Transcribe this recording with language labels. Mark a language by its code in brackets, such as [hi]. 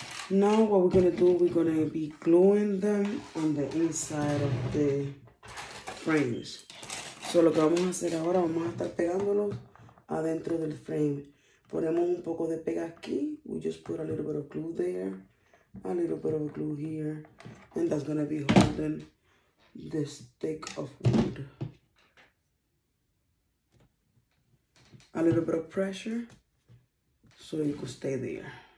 [en] Now what we're gonna do, we're gonna be gluing them on the inside of the frames. [es] So lo que vamos a hacer ahora, vamos a estar pegándolos adentro del frame. Ponemos un poco de pega aquí. [en] We just put a little bit of glue there. A little bit of glue here. And that's going to be holding the stick of wood. A little bit of pressure. So it could stay there.